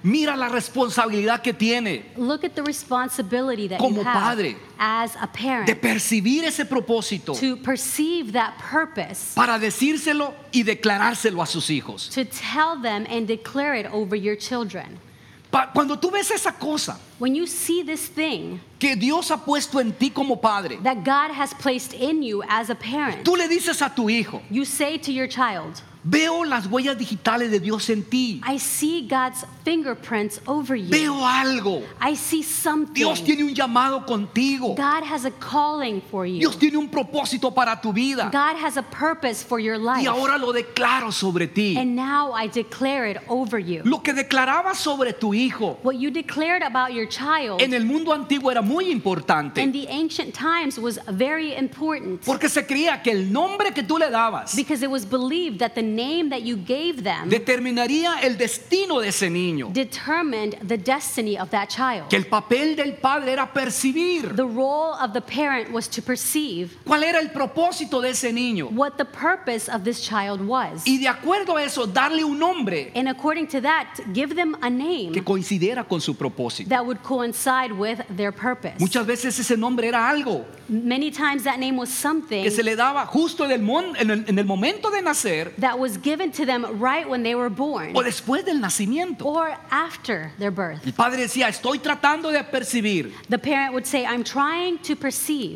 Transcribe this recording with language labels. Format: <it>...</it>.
<es>Mira la responsabilidad que tiene.</es> <en>Look at the responsibility that</en> <es>como</es> <en>you have.</en> <es>Como padre.</es> <en>As a parent.</en> <es>De percibir ese propósito.</es> <en>To perceive that purpose.</en> <es>Para decírselo y declarárselo a sus hijos.</es> <en>To tell them and declare it over your children.</en> <es>Cuando tú ves esa cosa,</es> <en>when you see this thing</en> <es>que Dios ha puesto en ti como padre,</es> <en>that God has placed in you as a parent,</en> <es>tú le dices a tu hijo,</es> <en>you say to your child,</en> <es>veo las huellas digitales de Dios en ti.</es> <en>I see God's fingerprints over you.</en> <es>Veo algo.</es> <en>I see something.</en> <es>Dios tiene un llamado contigo.</es> <en>God has a calling for you.</en> <es>Dios tiene un propósito para tu vida.</es> <en>God has a purpose for your life.</en> <es>Y ahora lo declaro sobre ti.</es> <en>And now I declare it over you.</en> <es>Lo que declarabas sobre tu hijo,</es> <en>what you declared about your child,</en> <es>en el mundo antiguo era muy importante.</es> <en>In the ancient times was very important.</en> <es>Porque se creía que el nombre que tú le dabas,</es> <en>because it was believed that the name that you gave them,</en> <es>determinaría el destino de ese niño,</es> <en>determined the destiny of that child.</en> <es>Que el papel del padre era percibir,</es> <en>the role of the parent was to perceive,</en> <es>cuál era el propósito de ese niño,</es> <en>what the purpose of this child was,</en> <es>y de acuerdo a eso darle un nombre,</es> <en>and according to that give them a name,</en> <es>que coincidiera con su propósito,</es> <en>that would coincide with their purpose.</en> <es>Muchas veces ese nombre era algo,</es> <en>many times that name was something,</en> <es>que se le daba justo en el momento de nacer,</es> <en>that was given to them right when they were born,</en> <es>o después del nacimiento,</es> <en>or after their birth.</en> <es>El padre decía, estoy tratando de percibir,</es> <en>the parent would say, I'm trying to perceive,</en>